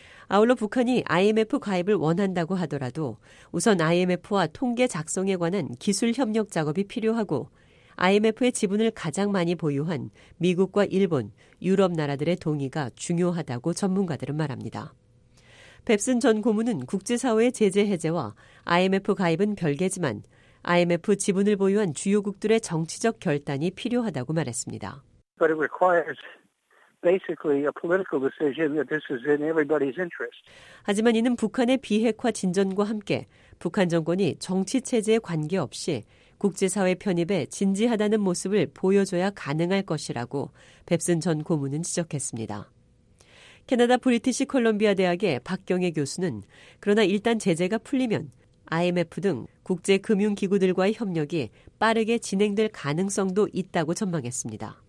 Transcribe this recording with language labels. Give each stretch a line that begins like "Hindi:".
Korean: 아울러 북한이 IMF 가입을 원한다고 하더라도 우선 IMF와 통계 작성에 관한 기술 협력 작업이 필요하고 IMF의 지분을 가장 많이 보유한 미국과 일본, 유럽 나라들의 동의가 중요하다고 전문가들은 말합니다. 뱁슨 전 고문은 국제사회의 제재 해제와 IMF 가입은 별개지만 IMF 지분을 보유한 주요국들의 정치적 결단이 필요하다고 말했습니다.
English: But it requires basically a political decision that this is in everybody's interest.
Korean: 하지만 이는 북한의 비핵화 진전과 함께 북한 정권이 정치 체제에 관계없이 국제사회 편입에 진지하다는 모습을 보여줘야 가능할 것이라고 뱁슨 전 고문은 지적했습니다. 캐나다 브리티시 콜롬비아 대학의 박경혜 교수는 그러나 일단 제재가 풀리면 IMF 등 국제금융기구들과의 협력이 빠르게 진행될 가능성도 있다고 전망했습니다.